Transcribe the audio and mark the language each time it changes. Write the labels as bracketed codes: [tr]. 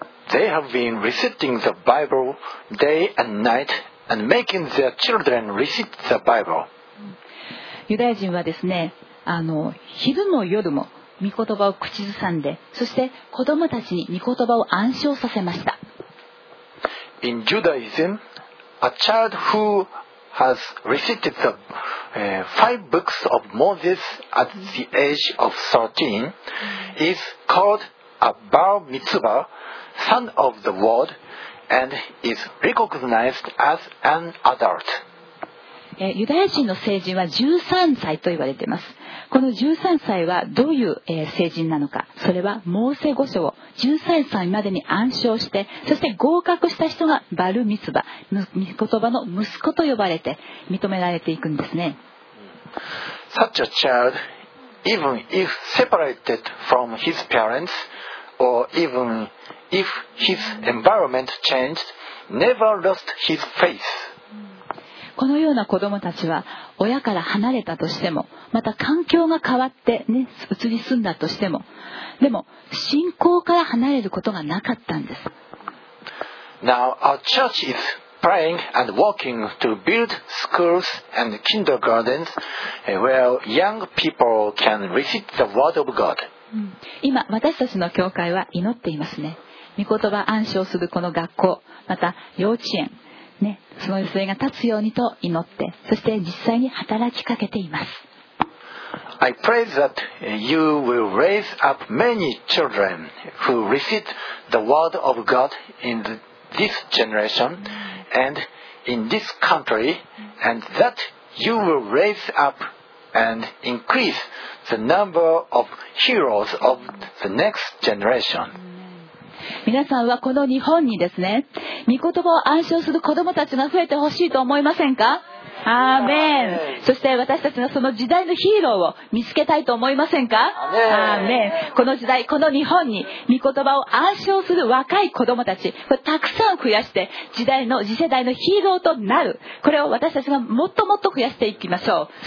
[en] They have been reciting the Bible day and night and making their children recite the Bible. [ja] ユダヤ人はですね、昼も夜も御言葉を口ずさんで、そして子供たちに御言葉を暗唱させました。 [en] In Judaism, a child who has recited the five books of Moses at the age of 13 is called a bar mitzvah, son of the word, and is recognized as an adult. [ja] ユダヤ人の成人は13歳と言われています。この13歳はどういう成人なのか、それはモーセ五書を13歳までに暗唱して、そして合格した人がバルミツバ、御言葉の息子と呼ばれて認められていくんですね。 [en] Such a child, even if separated from his parents or even if his environment changed, never lost his faith. [ja] このような子供たちは親から離れたとしても、また環境が変わって、ね、移り住んだとしても、でも信仰から離れることがなかったんです。 [en] Now our church is praying and working to build schools and kindergartens where young people can recite the word of God. [ja] 今私たちの教会は祈っていますね。御言葉暗唱するこの学校、また幼稚園。ね、その予定が立つようにと祈って、そして実際に働きかけています。 [en] I pray that you will raise up many children who receive the word of God in this generation and in this country, and that you will raise up and increase the number of heroes of the next generation. [ja] 皆さんはこの日本にですね、御言葉を暗唱する子どもたちが増えてほしいと思いませんか？アーメン。そして私たちがその時代のヒーローを見つけたいと思いませんか？アーメン。この時代、この日本に御言葉を暗唱する若い子どもたち、これたくさん増やして、時代の次世代のヒーローとなる、これを私たちがもっともっと増やしていきましょう。